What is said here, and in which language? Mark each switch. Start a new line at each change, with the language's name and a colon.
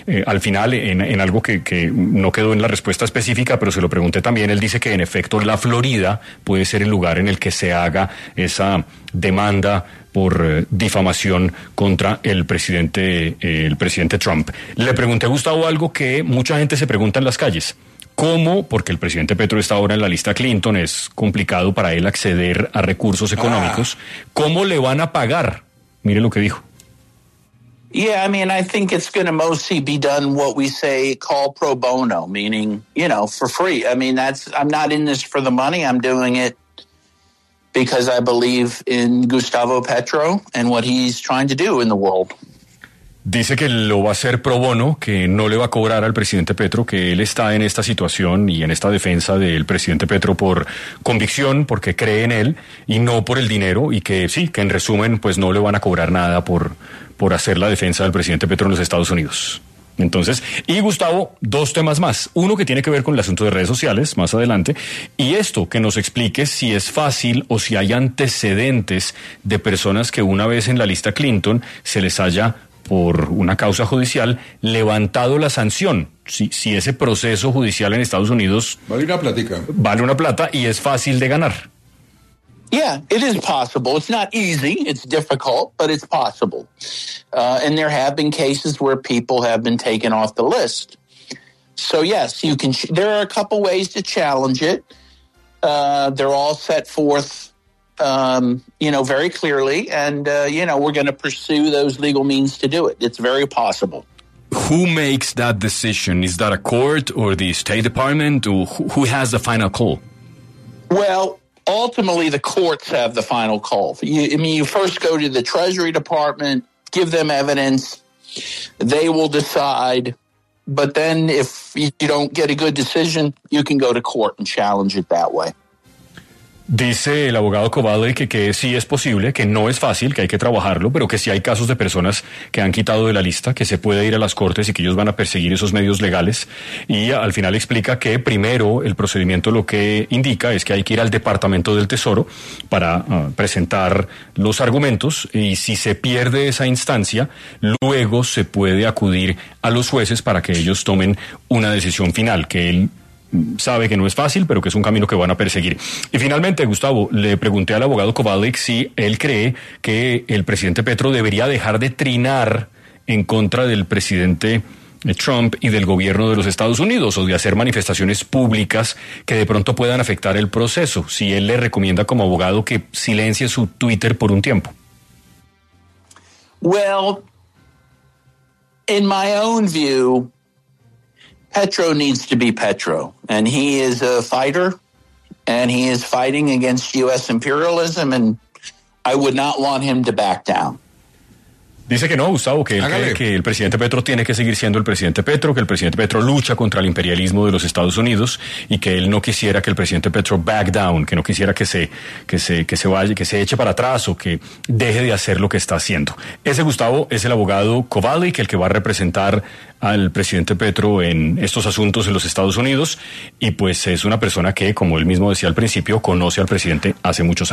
Spanish: Al final, en algo que no quedó en la respuesta específica, pero se lo pregunté también, él dice que en efecto la Florida puede ser el lugar en el que se haga esa demanda por difamación contra el presidente Trump. Le pregunté a Gustavo algo que mucha gente se pregunta en las calles. ¿Cómo? Porque el presidente Petro está ahora en la lista Clinton, es complicado para él acceder a recursos económicos. ¿Cómo le van a pagar? Mire lo que dijo.
English: Yeah, I mean, I think it's going to mostly be done what we say, call pro bono, meaning, you know, for free. I mean, I'm not in this for the money. I'm doing it because I believe in Gustavo Petro and what he's trying to do in the world.
Spanish: Dice que lo va a hacer pro bono, que no le va a cobrar al presidente Petro, que él está en esta situación y en esta defensa del presidente Petro por convicción, porque cree en él y no por el dinero, y que sí, que en resumen, pues no le van a cobrar nada por hacer la defensa del presidente Petro en los Estados Unidos. Entonces, y Gustavo, dos temas más. Uno que tiene que ver con el asunto de redes sociales, más adelante, y esto, que nos explique si es fácil o si hay antecedentes de personas que una vez en la lista Clinton se les haya, por una causa judicial, levantado la sanción. Si ese proceso judicial en Estados Unidos vale una plática. Vale una plata y es fácil de ganar.
English: Yeah, it is possible. It's not easy. It's difficult, but it's possible. And there have been cases where people have been taken off the list. So, yes, you can. There are a couple ways to challenge it. They're all set forth, you know, very clearly. And, you know, we're going to pursue those legal means to do it. It's very possible. Who makes that decision? Is that a court or the State Department? Or who has the final call? Well, ultimately, the courts have the final call. You first go to the Treasury Department, give them evidence. They will decide. But then if you don't get a good decision, you can go to court and challenge it that way.
Spanish: Dice el abogado Kovalik que sí es posible, que no es fácil, que hay que trabajarlo, pero que sí hay casos de personas que han quitado de la lista, que se puede ir a las cortes y que ellos van a perseguir esos medios legales. Y al final explica que primero el procedimiento lo que indica es que hay que ir al Departamento del Tesoro para presentar los argumentos, y si se pierde esa instancia, luego se puede acudir a los jueces para que ellos tomen una decisión final, que él sabe que no es fácil, pero que es un camino que van a perseguir. Y finalmente, Gustavo, le pregunté al abogado Kovalik si él cree que el presidente Petro debería dejar de trinar en contra del presidente Trump y del gobierno de los Estados Unidos, o de hacer manifestaciones públicas que de pronto puedan afectar el proceso. Si él le recomienda como abogado que silencie su Twitter por un tiempo.
English: Well, in my own view, Petro needs to be Petro, and he is a fighter, and he is fighting against U.S. imperialism, and I would not want him to back down.
Spanish: Dice que no, Gustavo, que él cree que el presidente Petro tiene que seguir siendo el presidente Petro, que el presidente Petro lucha contra el imperialismo de los Estados Unidos y que él no quisiera que el presidente Petro
English: back down,
Spanish: que no quisiera que se vaya, que se eche para atrás o que deje de hacer lo que está haciendo. Ese Gustavo es el abogado Kovalik, el que va a representar al presidente Petro en estos asuntos en los Estados Unidos, y pues es una persona que, como él mismo decía al principio, conoce al presidente hace muchos años.